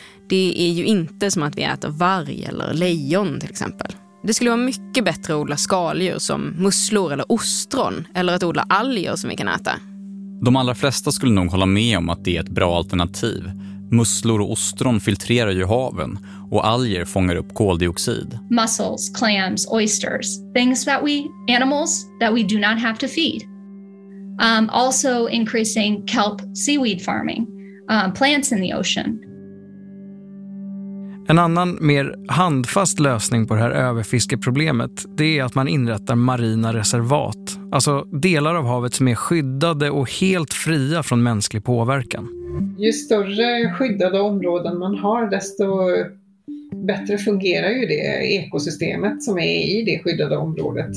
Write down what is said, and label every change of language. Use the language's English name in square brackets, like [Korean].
[Swedish] Det är ju inte som att vi äter varg eller lejon till exempel. Det skulle vara mycket bättre att odla skaldjur som musslor eller ostron. Eller att odla alger som vi kan äta. De allra flesta skulle nog hålla med om att det är ett bra alternativ. Musslor och ostron filtrerar ju haven och alger fångar upp koldioxid. [English] Mussels, clams, oysters, things that we animals that we do not have to feed. Also increasing kelp seaweed farming, plants in the ocean. [Swedish] En annan mer handfast lösning på det här överfiskeproblemet, det är att man inrättar marina reservat, alltså delar av havet som är skyddade och helt fria från mänsklig påverkan. Ju större skyddade områden man har, desto bättre fungerar ju det ekosystemet som är i det skyddade området.